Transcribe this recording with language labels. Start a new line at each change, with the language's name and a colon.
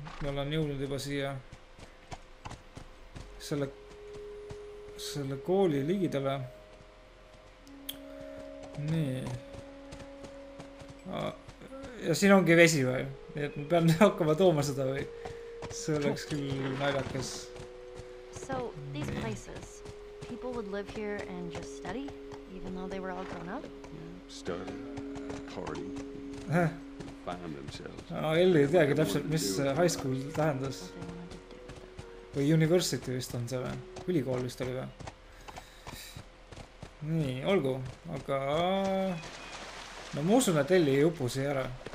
Estonian: Me olen jõudnud juba siia selle kooli ligidele. Nii. Ja siin ongi vesi või? Nii et ma pean hakkama tooma seda või? See oleks küll naljakas.
English: So, these places. People would live here and just study, even though they were all grown up. Study.
Estonian: Ellie ei teagi täpselt, mis high school tähendas. Või university vist on see või? Ülikool vist oli või? Nii, olgu. Aga no ma usun, et Ellie ei upu siia ära.